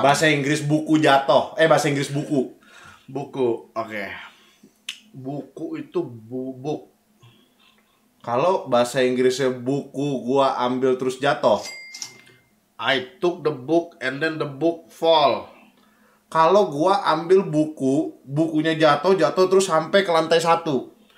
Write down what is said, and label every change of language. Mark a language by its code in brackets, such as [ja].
[id] Bahasa Inggris buku jatuh. Bahasa Inggris buku. Buku, oke. Buku itu bubuk. Kalau bahasa Inggrisnya buku gua ambil terus jatuh. [en] I took the book and then the book fall. [id] Kalau gua ambil buku, bukunya jatuh terus sampai ke lantai satu.